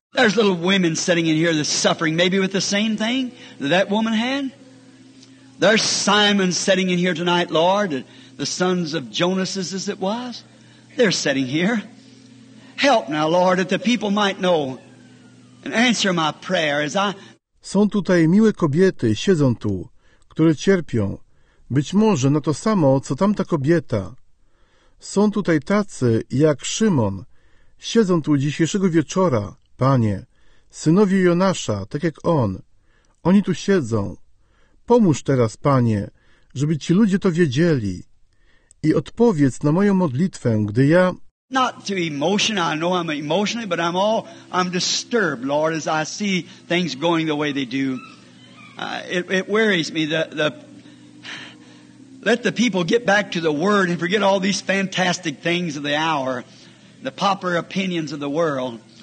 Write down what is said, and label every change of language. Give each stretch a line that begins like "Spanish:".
English: There's little women sitting in here that's suffering, maybe with the same thing that woman had. There's Simon sitting in here tonight, Lord, the sons of Jonas's as it was. They're sitting here. Help now, Lord, that the people might know and answer my prayer as I...
Polish: Są tutaj miłe kobiety, siedzą tu, które cierpią. Być może na to samo, co tamta kobieta. Są tutaj tacy, jak Szymon, siedzą tu dzisiejszego wieczora, Panie, synowie Jonasza, tak jak on. Oni tu siedzą. Pomóż teraz, Panie, żeby ci ludzie to wiedzieli. I odpowiedz na moją modlitwę, gdy ja...
English: Not to emotion, I know I'm emotionally, but I'm disturbed, Lord, as I see things going the way they do. It worries me, Let the people get back to the Word and forget all these fantastic things of the hour, the popular opinions of the world.